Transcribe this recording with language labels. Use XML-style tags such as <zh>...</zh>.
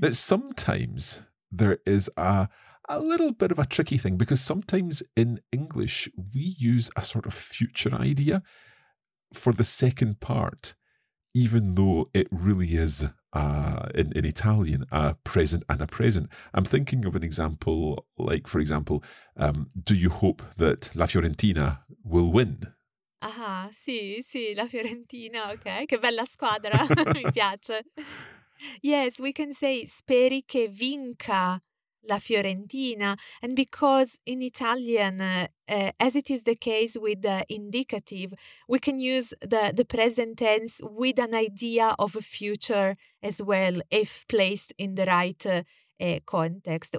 <en>Now, sometimes there is a little bit of a tricky thing, because sometimes in English we use a sort of future idea for the second part, even though it really is in Italian a present and a present. I'm thinking of an example, like, for example, do you hope that La Fiorentina will win?</en> <it>Aha, sì, La Fiorentina, okay, che bella squadra, mi piace.</it> <en>Yes, we can say</en> <it>speri che vinca La Fiorentina,</it> <en>and because in Italian, as it is the case with the indicative, we can use the present tense with an idea of a future as well, if placed in the right context.</en>